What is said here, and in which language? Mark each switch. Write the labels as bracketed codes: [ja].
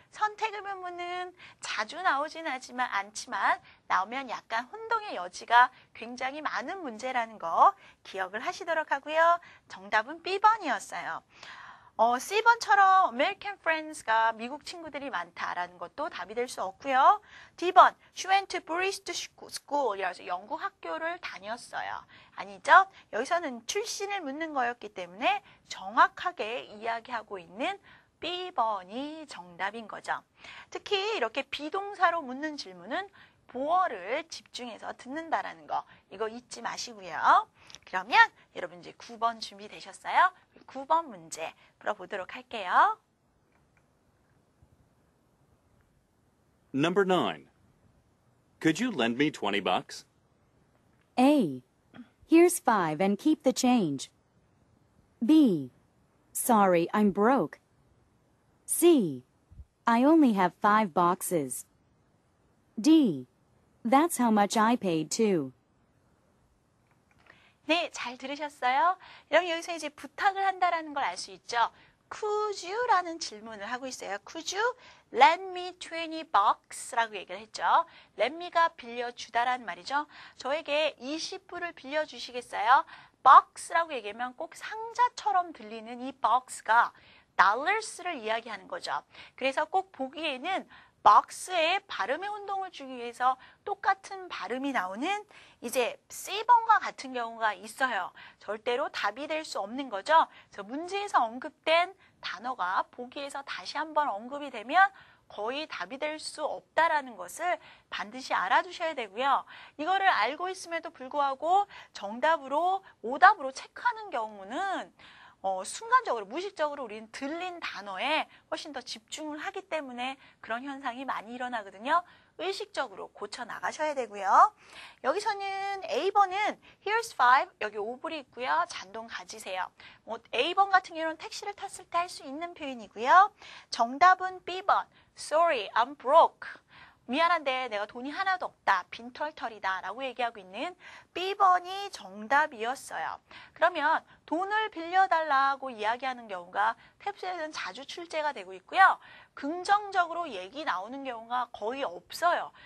[ko] 선택의 문문은 자주 나오진 않지만 나오면 약간 혼동의 여지가 굉장히 많은 문제라는 거 기억을 하시도록 하고요. 정답은 B번이었어요. C번처럼 American friends가 미국 친구들이 많다라는 것도 답이 될 수 없고요. [en] D번, she went to Bristol school. [ko] 이라서 영국 학교를 다녔어요. 아니죠? 여기서는 출신을 묻는 거였기 때문에 정확하게 이야기하고 있는 B번이 정답인 거죠. 특히 이렇게 비동사로 묻는 질문은 보어를 집중해서 듣는다라는 거 이거 잊지 마시고요. 그러면 여러분 이제 9번 준비되셨어요? 9번 문제 풀어보도록 할게요. [en] Number 9. Could you lend me 20 bucks? A. Here's 5 and keep the change. B. Sorry, I'm broke. C. I only have 5 boxes. D. That's how much I paid too. [ko] 네, 잘 들으셨어요? 여러분 여기서 이제 부탁을 한다라는 걸 알 수 있죠? Could you 라는 질문을 하고 있어요. [en] Could you lend me 20 bucks 라고 얘기를 했죠. [ko] Lend me가 빌려주다라는 말이죠. 저에게 20불을 빌려주시겠어요? Box라고 얘기하면 꼭 상자처럼 들리는 이 box가 dollars를 이야기하는 거죠. 그래서 꼭 보기에는 box의 발음의 혼동을 주기 위해서 똑같은 발음이 나오는 이제 C번과 같은 경우가 있어요. 절대로 답이 될 수 없는 거죠. 그래서 문제에서 언급된 단어가 보기에서 다시 한번 언급이 되면 거의 답이 될 수 없다라는 것을 반드시 알아두셔야 되고요. 이거를 알고 있음에도 불구하고 정답으로 오답으로 체크하는 경우는 순간적으로 무의식적으로 우리는 들린 단어에 훨씬 더 집중을 하기 때문에 그런 현상이 많이 일어나거든요. 의식적으로 고쳐나가셔야 되고요. 여기서는 A번은 Here's 5, 여기 5불이 있고요. 잔돈 가지세요. 뭐 A번 같은 경우는 택시를 탔을 때 할 수 있는 표현이고요. [en] 정답은 B번, Sorry, I'm broke. [ko] 미안한데 내가 돈이 하나도 없다, 빈털털이다 라고 얘기하고 있는 B번이 정답이었어요. 그러면 돈을 빌려달라고 이야기하는 경우가 탭스에서는 자주 출제가 되고 있고요. 긍정적으로 얘기 나오는 경우가 거의 없어요.